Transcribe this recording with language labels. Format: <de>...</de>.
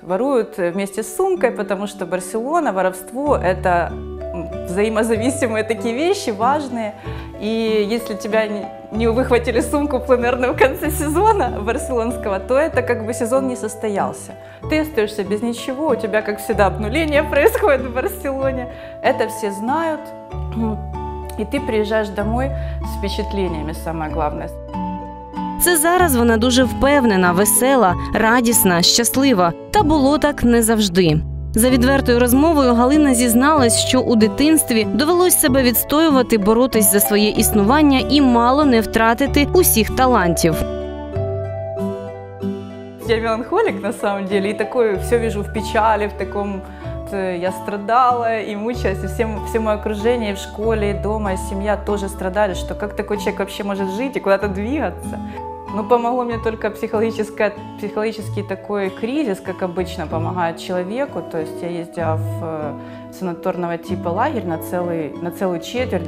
<ru>Воруют вместе с сумкой, потому что Барселона, воровство – это взаимозависимые такие вещи, важные. И если тебя не выхватили сумку пленерную в конце сезона барселонского, то это как бы сезон не состоялся. Ты остаешься без ничего, у тебя, как всегда, обнуление происходит в Барселоне. Это все знают.</ru> <uk>І ти приїжджаєш домой з впечатленнями,</uk> <ru>самое главное.</ru> <uk>Це зараз вона дуже впевнена, весела, радісна, щаслива. Та було так не завжди. За відвертою розмовою Галина зізналась, що у дитинстві довелось себе відстоювати, боротись за своє існування і мало не втратити усіх талантів. Я меланхолік, насправді, і такою все бачу в печалі, в такому...</uk> <ru>Я страдала и мучилась, и все мое окружение, и в школе, и дома, и семья тоже страдали, что как такой человек вообще может жить и куда-то двигаться. Ну, помогло мне только психологический такой кризис, как обычно помогает человеку. То есть я ездила в санаторного типа лагерь на целую четверть.</ru>